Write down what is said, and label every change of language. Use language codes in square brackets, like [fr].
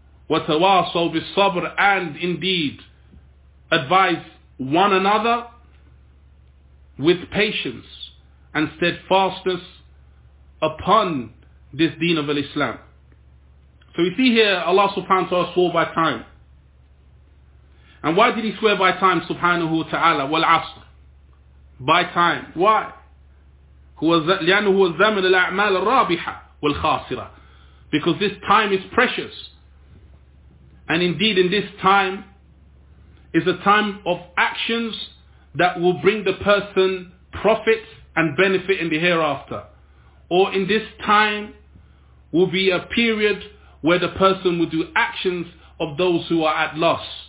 [ar] وَتَوَاصَوْا بِالصَّبْرِ, [en] and indeed advise one another with patience and steadfastness upon this deen of Islam. So we see here Allah subhanahu wa ta'ala swore by time. And why did he swear by time subhanahu wa ta'ala? [ar] Wal asr. [en] By time. Why? [ar] لأنه الزمن الأعمال الرابحة والخاسرة. [en] Because this time is precious. And indeed in this time is a time of actions that will bring the person profit and benefit in the hereafter. Or in this time will be a period where the person will do actions of those who are at loss.